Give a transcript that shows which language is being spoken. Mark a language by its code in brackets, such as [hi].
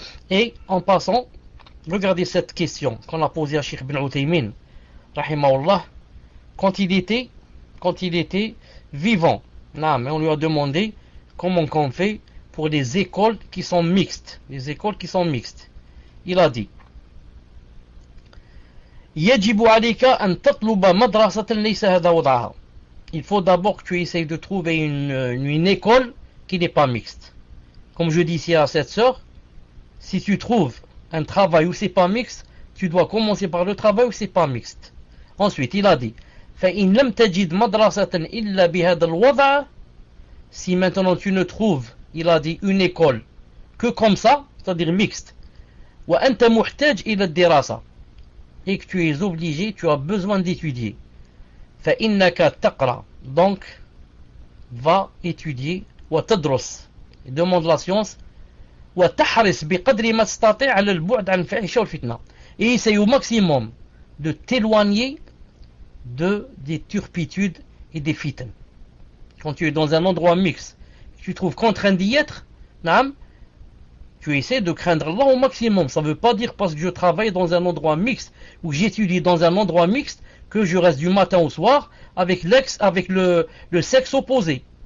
[fr] Et en passant, regardez cette question qu'on a posée à Cheikh Ibn Uthaymin, rahimahullah, quand il était vivant. Non, mais on lui a demandé comment qu'on fait pour les écoles qui sont mixtes. Les écoles qui sont mixtes. Il a dit. [ar] يجب عليك أن تطلب مدرسة ليس هذا وضعها. [fr] Il faut d'abord que tu essayes de trouver une école qui n'est pas mixte. Comme je dis ici à cette sœur, si tu trouves un travail où c'est pas mixte, tu dois commencer par le travail où c'est pas mixte. Ensuite, il a dit, [ar] فإن لم تجد مدرسة إلا بهذا الوضع, [fr] si maintenant tu ne trouves, il a dit, une école que comme ça, c'est-à-dire mixte, [ar] وأنت محتاج إلى الدراسة, [fr] et que tu es obligé, tu as besoin d'étudier. [ar] فإنك تقرأ. [fr] Donc, va étudier. [ar] وتدرس. [fr] Et demande la science. [ar] وتحرص بقدر ما تستطيع على البعد عن الفاحشة والفتنة. [fr] Et essaye au maximum de t'éloigner des turpitudes et des fitnes. Quand tu es dans un endroit mixte, tu te trouves contraint d'y être, naam, tu essaies de craindre Allah au maximum. Ça ne veut pas dire parce que je travaille dans un endroit mixte ou j'étudie dans un endroit mixte que je reste du matin au soir avec l'ex, avec le sexe opposé.